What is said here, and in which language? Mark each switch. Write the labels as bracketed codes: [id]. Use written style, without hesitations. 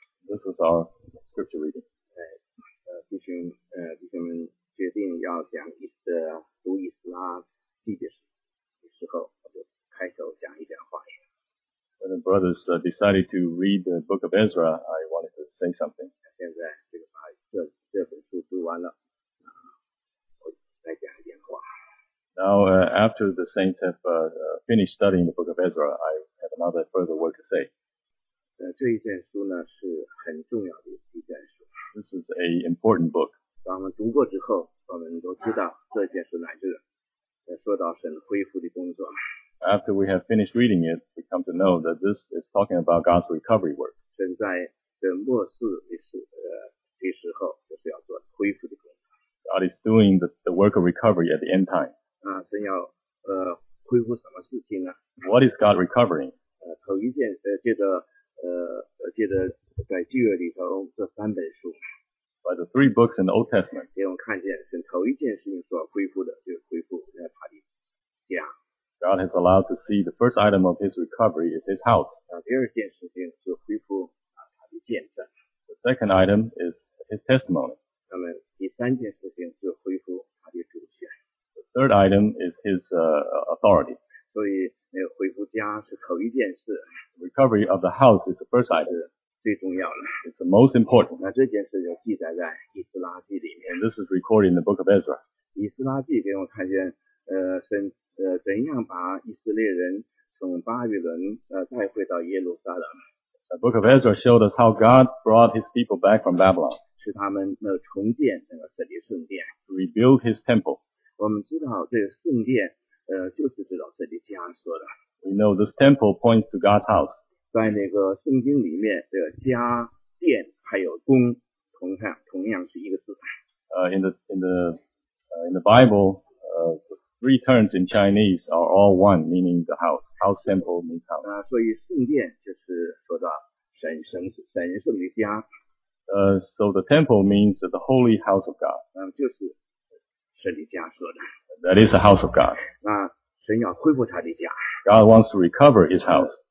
[en] This is our scripture reading. [zh] 弟兄们决定要讲读以斯拉记的时候，我就开头讲一点话语。 [en] When the brothers decided to read the book of Ezra, I wanted to say something. [zh] 现在这本书读完了，我再讲一点话。 [en] Now, after the saints have finished studying the book of Ezra, I have another further word to say. [zh] 这一卷书呢是很重要的一卷书。 [en] This is an important book. [zh] 当我们读过之后，我们都知道这件事乃是说到神恢复的工作。 [en] After we have finished reading it, we come to know that this is talking about God's recovery work. [zh] 神在这末世的时候，就是要做恢复的工作。 [en] God is doing the work of recovery at the end time. [zh] 神要恢复什么事情呢？ [en] What is God recovering? [zh] 头一件记得在旧约里头这三本书。 [en] By the three books in the Old Testament. [zh] 给我们看见神头一件事情所恢复的就是恢复那他的家。 [en] God has allowed to see the first item of his recovery is his house. [zh] 第二件事情是恢复他的见证。 [en] The second item is his testimony. [zh] 那么第三件事情是恢复他的主权。 [en] The third item is his authority. [zh] 所以那个恢复家是头一件事。 [en] Recovery of the house is the first item. [zh] 最重要的。 [en] It's the most important. [zh] 那这件事就记载在以斯拉记里面。 [en] And this is recorded in the book of Ezra. [zh] 以斯拉记给我看见怎样把以色列人从巴比伦带回到耶路撒冷。 [en] The book of Ezra showed us how God brought his people back from Babylon. [zh] 使他们重建那个神的圣殿。 [en] Rebuild his temple. [zh] 我们知道这个圣殿就是指到这里家说的。 [en] We know this temple points to God's house. [zh] 在那个圣经里面的家、殿还有宫，同样是一个字。 [en] In the Bible, the three terms in Chinese are all one, meaning the house. House temple means house. [zh] 所以圣殿就是说到神圣的家。 [en] So the temple means the holy house of God. [zh] 就是神的家说的。 [en] That is the house of God. [zh] 那神要恢复他的家。 [en] God wants to recover his house.